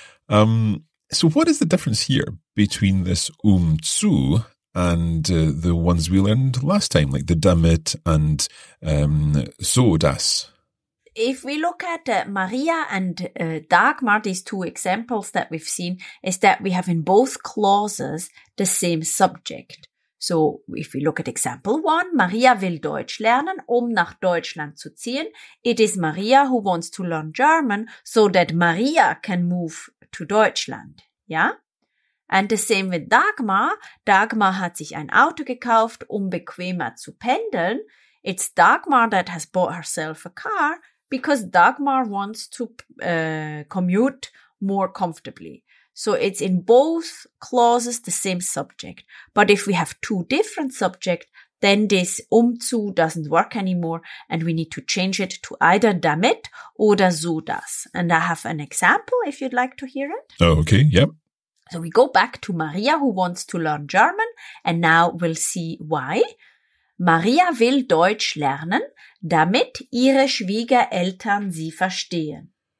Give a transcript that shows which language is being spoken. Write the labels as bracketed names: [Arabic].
[English] So what is the difference here between this zu and the ones we learned last time, like the damit and so das? If we look at Maria and Dagmar, these two examples that we've seen, is that we have in both clauses the same subject. [German] So if we look at example one, Maria will Deutsch lernen, nach Deutschland zu ziehen. [English] It is Maria who wants to learn German so that Maria can move to Deutschland. Yeah? And the same with Dagmar. [German] Dagmar hat sich ein Auto gekauft, bequemer zu pendeln. [English] It's Dagmar that has bought herself a car because Dagmar wants to commute more comfortably. So it's in both clauses the same subject. But if we have two different subjects, then this zu doesn't work anymore and we need to change it to either damit oder so das. And I have an example if you'd like to hear it. Okay, yep. So we go back to Maria, who wants to learn German, and now we'll see why. [German] Maria will Deutsch lernen, damit ihre Schwiegereltern sie verstehen.